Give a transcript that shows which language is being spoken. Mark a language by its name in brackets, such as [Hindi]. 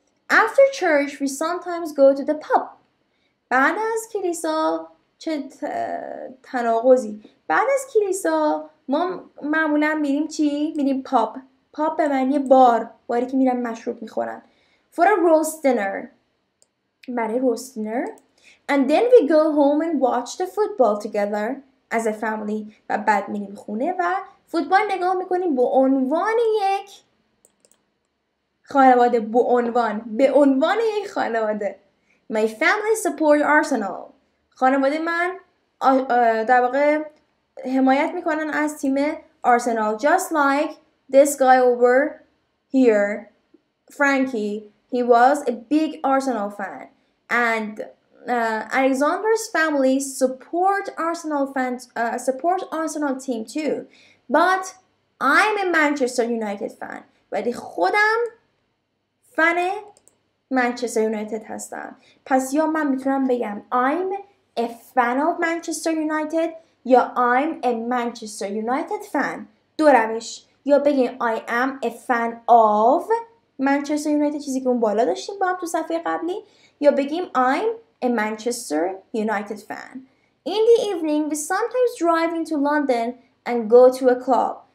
[English] After church, we sometimes go to the pub. [Persian] بعد از کلیسا، چه تناقضی. بعد از کلیسا، ما معمولا میریم چی؟ میریم پاب. پاب به معنی بار، باری که میرن مشروب میخورن. [English] For a roast dinner. [Persian] برای [English] roast dinner. And then we go home and watch the football together as a family. [Persian] و بعد میریم خونه و فوتبال نگاه میکنیم با عنوان یک خانواده. به عنوان، به عنوان یک خانواده. [English] My family support Arsenal. [Persian] خانواده من در واقع حمایت میکنن از تیم آرسنال. [English] Just like this guy over here, Frankie, he was a big Arsenal fan. And Alexander's family support Arsenal fans, support Arsenal team too. But I'm a Manchester United fan. [Persian] ولی خودم فن Manchester United هستم. پس یا من میتونم بگم [English] I'm a fan of Manchester United یا I'm a Manchester United fan. [Persian] دو روش. یا بگین [English] I am a fan of Manchester United، [Persian] چیزی که اون بالا داشتیم با هم تو صفحه قبلی، یا بگیم [English] I'm a Manchester United fan. In the evening we sometimes drive into London and go to a club.